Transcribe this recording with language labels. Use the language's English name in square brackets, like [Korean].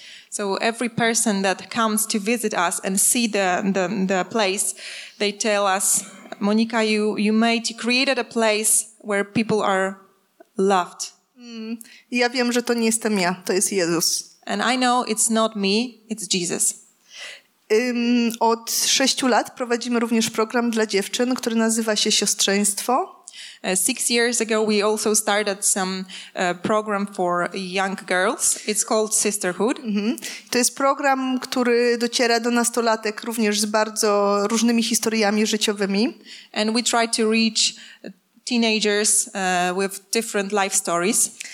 [English] So every person that comes to visit us and see the place, they tell us, Monika, you created a place where people are loved. [Polish] Ja wiem, że to nie jestem ja, to jest Jezus. [English] And I know it's not me, it's Jesus. [Polish] Od 6 lat prowadzimy również program dla dziewczyn, który nazywa się Siostrzeństwo. [English] 6 years ago we also started some program for young girls. It's called Sisterhood. [Polish] To jest program, który dociera do nastolatek również z bardzo różnymi historiami życiowymi. [English] And we try to reach teenagers with different life stories.